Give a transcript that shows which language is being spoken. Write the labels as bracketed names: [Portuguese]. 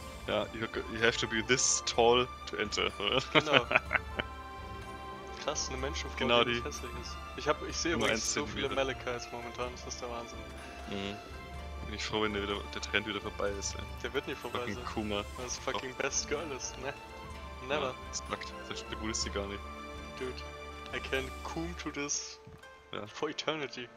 [English] Ja, you have to be this tall to enter, [German] oder? Genau. Krass, eine Menschenfrau, genau, die hässlich ist. Ich sehe übrigens so viele Malachites momentan, das ist der Wahnsinn. Mhm. Bin ich froh, wenn der Trend wieder vorbei ist, ey. Der wird nicht vorbei [English] fucking [German] sein. Kuma. Weil es [English] fucking best girl [German] ist, ne? [English] Never. [German] Ja, das packt. Das gut ist sie gar nicht. [English] dude. I can coom to this for eternity.